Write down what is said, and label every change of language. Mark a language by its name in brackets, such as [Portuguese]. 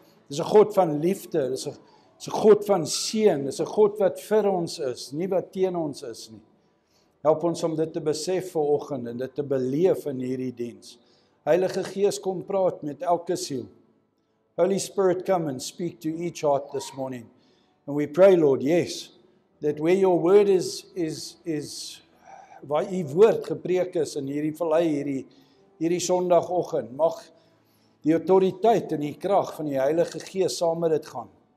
[Afrikaans] Dis 'n God van liefde, dis 'n God van seën, dis 'n God wat vir ons is, nie wat teen ons is nie. Help ons om dit te besef vanoggend en dit te beleef in hierdie diens. Heilige Gees, kom praat met elke siel. [English] Holy Spirit, come and speak to each heart this morning. And we pray, Lord, yes, that where Your word is [Afrikaans] waar U woord gepreek is in hierdie vallei, hierdie Sondagoggend, mag die autoriteit en die krag van die Heilige Gees saam met dit gaan.